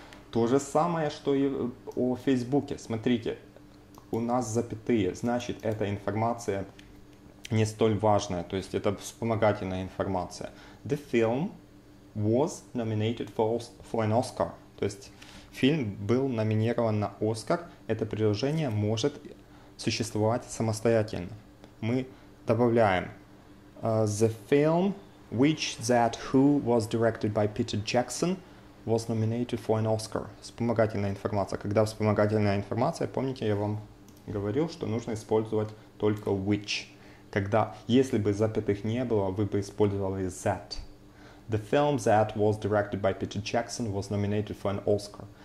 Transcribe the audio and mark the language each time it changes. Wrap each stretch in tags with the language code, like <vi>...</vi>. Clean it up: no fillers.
<ru>То же самое, что и о Фейсбуке. Смотрите, у нас запятые, значит, эта информация не столь важная, то есть это вспомогательная информация.</ru> <en>The film was nominated for an Oscar.</en> <ru>То есть фильм был номинирован на Оскар. Это предложение может существовать самостоятельно. Мы добавляем.</ru> <en>The film Which, that, who was directed by Peter Jackson was nominated for an Oscar.</en> <ru>Вспомогательная информация. Когда вспомогательная информация, помните, я вам говорил, что нужно использовать только which. Когда, если бы запятых не было, вы бы использовали that.</ru> <en>The film that was directed by Peter Jackson was nominated for an Oscar.</en>